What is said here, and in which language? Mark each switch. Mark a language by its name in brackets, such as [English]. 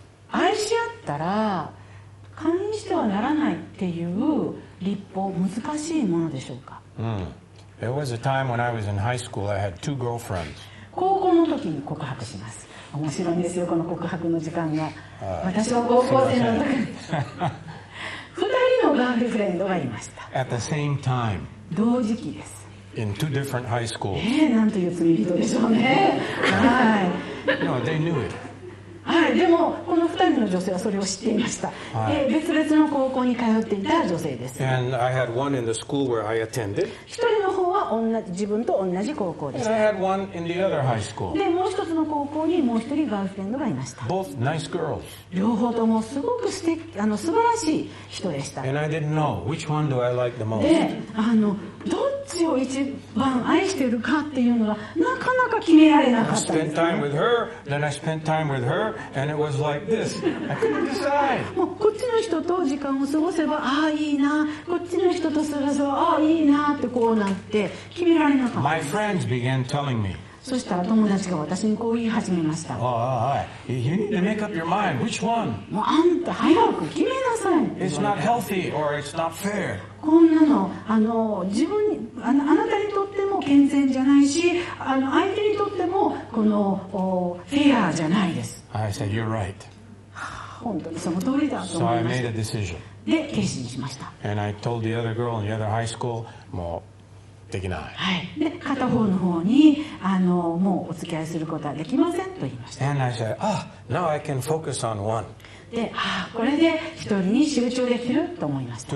[Japanese] 愛し合ったら姦淫してはならないっていう立法難しいものでしょうか。 [English] There was a time when I was in high school, I had two girlfriends. [Japanese] 高校の時に告白します。面白いんですよこの告白の時間が。私は高校生の時に。ガールフレンドがいました。 [English] At the same time, [Japanese] 同時期です。 [English] In two different high schools. [Japanese] なんという罪人でしょうね。はい。 [English] No, they knew it. [Japanese] はい。でもこの二人の女性はそれを知っていました。別々の高校に通っていた女性です。 [English] And I had one in the school where I attended. [Japanese] 一人の方は自分と同じ高校でした。 [English] And I had one in the other high school. [Japanese] でもう一つの高校にもう一人ガールフレンドがいました。 [English] Both nice girls. [Japanese] 両方ともすごく素晴らしい人でした。 [English] And I didn't know which one do I like the most. [Japanese] で、どっちを一番愛しているかっていうのはなかなか決められなかったんです、ね。 [English] I spent time with her, then I spent time with her, and it was like this. I couldn't decide. [Japanese] もうこっちの人と時間を過ごせばああいいな、こっちの人と過ごせばああいいなってこうなって決められなかった。 [English] My friends began telling me. [Japanese] そしたら友達が私にこう言い始めました。 [English] You need to make up your mind. Which one? [Japanese] もうあんた早く決めなさい。 [English] It's not healthy or it's not fair. [Japanese] こんなの、自分に、あなたにとっても健全じゃないし、相手にとっても、この、フェアじゃないです。 [English] I said, you're right. [Japanese] 本当にその通りだと思いました [English] 。So I made a decision. [Japanese] で、決心しました。 [English] And I told the other girl in the other high school, [Japanese] もう、できない。はい。で、片方の方に、もうお付き合いすることはできませんと言いました。 [English] And I said, ah, now I can focus on one. [Japanese] で、これで一人に集中できると思いました。